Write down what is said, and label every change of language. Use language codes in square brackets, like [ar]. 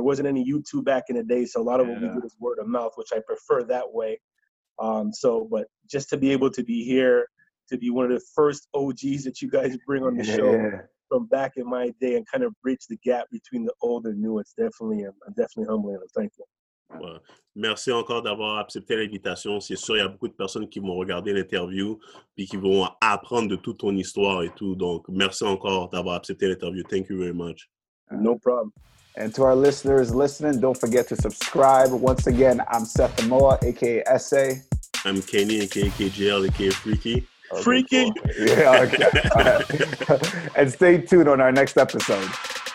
[en] There wasn't any YouTube back in the day, so a lot of what we did is word of mouth, which I prefer that way. But just to be able to be here, to be one of the first OGs that you guys bring on the show from back in my day and kind of bridge the gap between the old and new, it's definitely, I'm definitely humbling and I'm thankful. [fr] Ouais. Merci encore d'avoir accepté l'invitation. C'est sûr, il y a beaucoup de personnes qui vont regarder l'interview puis qui vont apprendre de toute ton histoire et tout. Donc, merci encore d'avoir accepté l'interview. [en] Thank you very much. No problem. And to our listeners listening, don't forget to subscribe. Once again, I'm Seth Amoa, a.k.a. SA. I'm Kenny, a.k.a. KGL, a.k.a. Freaky. Freaky! Yeah, okay. All right. And stay tuned on our next episode.